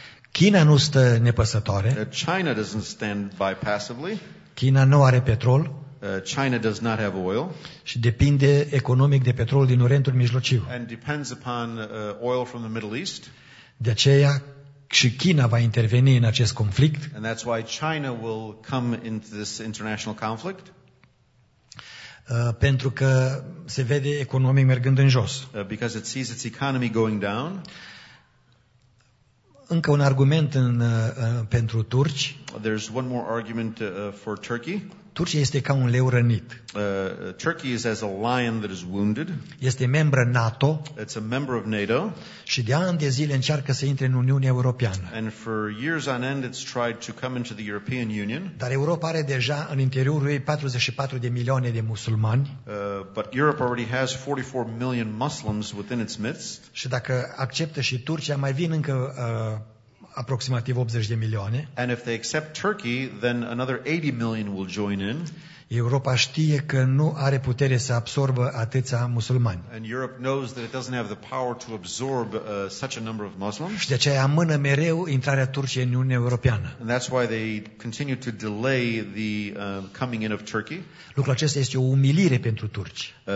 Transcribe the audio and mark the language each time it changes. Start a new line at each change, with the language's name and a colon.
Romanian: China nu stă nepăsătoare.
English: China doesn't stand by passively.
Romanian: China nu are petrol.
English: China does not have oil.
Romanian: Și depinde economic de petrol din Orientul Mijlociu.
English: And depends upon oil from the Middle East.
Romanian: De aceea și China va interveni în acest conflict.
English: And that's why China will come into this international conflict.
Romanian: Pentru că se vede economic mergând în jos.
English: Because it sees its economy going down.
Romanian: Încă un argument pentru turci.
English: There's one more argument for Turkey.
Romanian: Turcia este ca un leu rănit.
English: Turkey is as a lion that is wounded.
Romanian: Este membră NATO.
English: It's a member of NATO.
Romanian: Și de ani de zile încearcă să intre în Uniunea Europeană.
English: And for years on end it's tried to come into the European Union.
Romanian: Dar Europa are deja în interiorul ei 44 de milioane de musulmani.
English: But Europe already has 44 million Muslims within its midst.
Romanian: Și dacă acceptă și Turcia, mai vin încă aproximativ 80 de milioane.
English: And if they accept Turkey, then another 80 million will join in.
Romanian: Europa știe că nu are putere să absorbă atâția musulmani.
English: And Europe knows that it doesn't have the power to absorb such a number of Muslims.
Romanian: Și de aceea amână mereu intrarea Turciei în Uniunea Europeană.
English: And that's why they continue to delay the coming in of Turkey.
Romanian: Lucrul acesta este o umilire pentru turci.